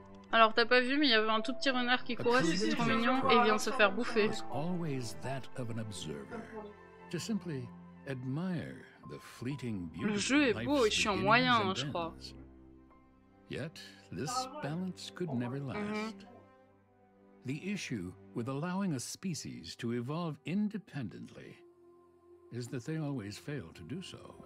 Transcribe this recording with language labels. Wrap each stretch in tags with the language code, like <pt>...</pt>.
<fr>Alors, t'as pas vu, mais il y avait un tout petit renard qui courait, c'est trop mignon, et il vient de se faire bouffer.</fr> <en>It was always that of an observer, to simply admire the fleeting beauty.</en> <fr>Le jeu est beau, je suis en moyen, je crois.</fr> <en>Yet, this balance could never last. The issue with allowing a species to evolve independently is that they always fail to do so.</en>